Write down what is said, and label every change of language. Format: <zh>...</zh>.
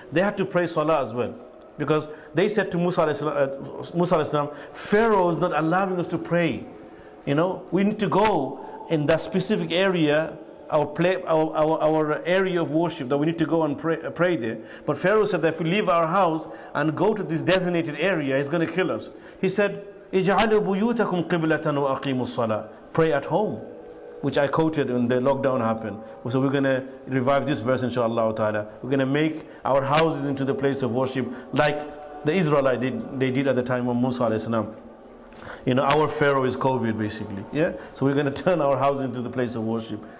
<en>They had to pray salah as well. Because they said to Musa alayhi salam, Pharaoh is not allowing us to pray. You know, we need to go in that specific area, our area of worship, that we need to go and pray there. But Pharaoh said that if we leave our house and go to this designated area, he's going to kill us. He said,</en> <ar>اجعلوا بيوتكم قبلة وأقيموا الصلاة.</ar> <en>Pray at home. Which I quoted when the lockdown happened. So we're going to revive this verse, inshallah ta'ala. We're going to make our houses into the place of worship like the Israelites did at the time of Musa alayhi salam. You know, our Pharaoh is COVID basically. Yeah. So we're going to turn our houses into the place of worship.</en>